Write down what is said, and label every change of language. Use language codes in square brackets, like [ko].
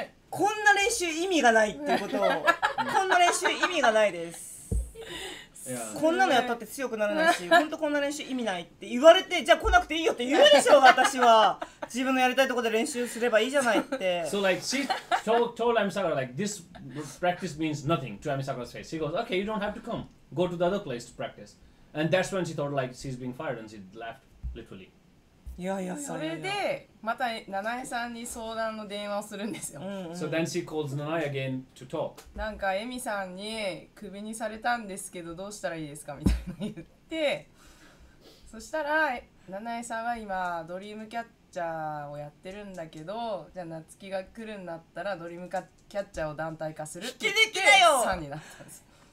[ja] こんな練習意味がないってことを、こんな練習意味がないです。 [en] Yeah. [ja] こんなのやったって強くならないし、ほんとこんな練習意味ないって言われて、じゃあ来なくていいよって言うでしょ、私は自分のやりたいところで練習すればいいじゃないって。 [en] So like she told Ami Sakura like this practice means nothing to Ami Sakura's face. She goes, okay, you don't have to come, go to the other place to practice. And that's when she thought like she's being fired and she left literally. [ja] いやそれでまた Nanae さんに相談の電話をするんですよ。 [en] So then she calls Nanae again to talk. [ja] なんかエミさんにクビにされたんですけどどうしたらいいですかみたいな言って、そしたら Nanae さんは今ドリームキャッチャーをやってるんだけど、じゃあ夏樹が来るんだったらドリームキャッチャーを団体化するって言って3になったんです。